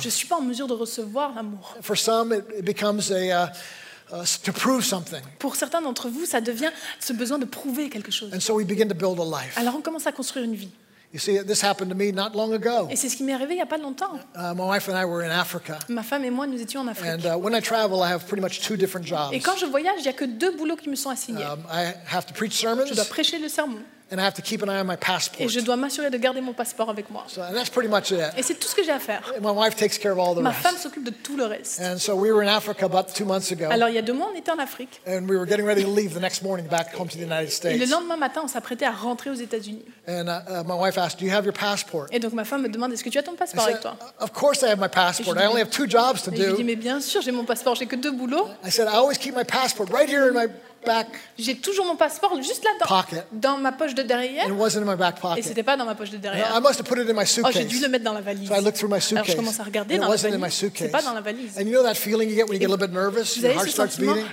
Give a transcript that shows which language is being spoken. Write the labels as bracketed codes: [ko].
[fr] Je suis pas en mesure de recevoir l'amour. [en] For some, it becomes a to prove something. [fr] Pour certains d'entre vous, ça devient ce besoin de prouver quelque chose. [en] And so we begin to build a life. [fr] Alors on commence à construire une vie. [en] You see, this happened to me not long ago. [fr] Et c'est ce qui m'est arrivé il y a pas longtemps. [en] My wife and I were in Africa. [fr] Ma femme et moi, nous étions en Afrique. [en] And when I travel, I have pretty much two different jobs. [fr] Et quand je voyage, il y a que deux boulots qui me sont assignés. [en] I have to preach sermons. [fr] Je dois prêcher le sermon. [en] And I have to keep an eye on my passport. [fr] Et je dois m'assurer de garder mon passeport avec moi. [en] So, and that's pretty much it. [fr] Et c'est tout ce que j'ai à faire. [en] And my wife takes care of all the [fr] Ma [en] rest. [fr] Femme s'occupe de tout le reste. [en] And so we were in Africa about 2 months ago. [fr] Alors il y a deux mois, on était en Afrique. [en] And we were getting ready to leave the next morning back home to the United States. [fr] Et le lendemain matin, on s'apprêtait à rentrer aux États-Unis. [en] And my wife asked, "Do you have your passport?" [fr] Et donc ma femme me demande, "Est-ce que tu as ton passeport [en] said, [fr] avec toi?" [en] Of course I have my passport. I only have two jobs to [fr] Et [en] do. [fr] Je lui dis, "Mais bien sûr, j'ai mon passeport, j'ai que deux boulots." [en] I said, "I always keep my passport right here in my back." [fr] J'ai toujours mon passeport juste là dans [en] pocket. [fr] Dans ma poche de derrière. [en] And it wasn't in my back pocket. [fr] Et c'était pas dans ma poche de derrière. [en] I must have put it in my suitcase. [fr] Oh, j'ai dû le mettre dans la valise. [en] So I looked through my suitcase. [fr] Alors je commence à regarder dans la valise. [en] It wasn't in my suitcase. [fr] C'est pas dans la valise. [en] And you know that feeling you get when you get a little bit nervous, your heart starts beating.